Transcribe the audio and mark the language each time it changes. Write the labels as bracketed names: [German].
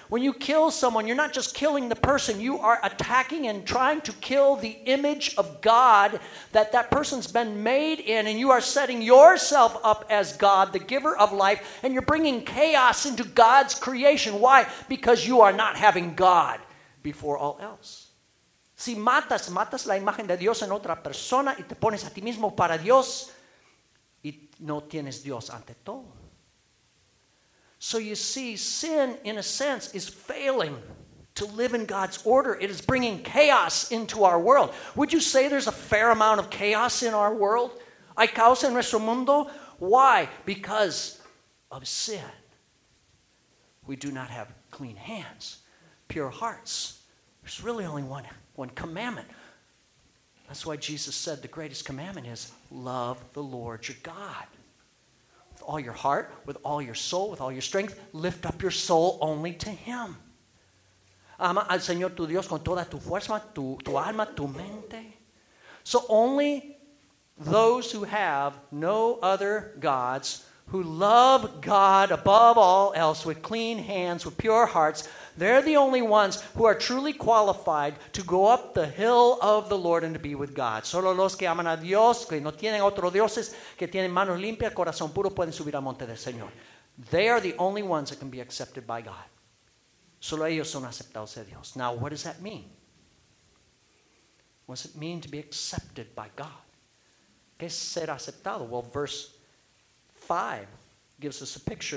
[English] When you kill someone, you're not just killing the person. You are attacking and trying to kill the image of God that that person's been made in. And you are setting yourself up as God, the giver of life. And you're bringing chaos into God's creation. Why? Because you are not having God before all else. [Spanish] Si matas la imagen de Dios en otra persona y te pones a ti mismo para Dios, y no tienes Dios ante todo. [English] So you see, sin, in a sense, is failing to live in God's order. It is bringing chaos into our world. Would you say there's a fair amount of chaos in our world? [Spanish] ¿Hay caos en nuestro mundo? [English] Why? Because of sin. We do not have clean hands, pure hearts. There's really only one commandment. That's why Jesus said the greatest commandment is love the Lord your God. With all your heart, with all your soul, with all your strength, lift up your soul only to Him. [Spanish] Ama al Señor tu Dios con toda tu fuerza, tu alma, tu mente. [English] So only those who have no other gods, who love God above all else with clean hands, with pure hearts, they're the only ones who are truly qualified to go up the hill of the Lord and to be with God. [Spanish] Solo los que aman a Dios, que no tienen otros dioses, que tienen manos limpias, corazón puro, pueden subir al monte del Señor. [English] They are the only ones that can be accepted by God. [Spanish] Solo ellos son aceptados de Dios. [English] Now, what does that mean? What does it mean to be accepted by God? [Spanish] ¿Qué es ser aceptado? [English] Well, verse 5 gives us a picture.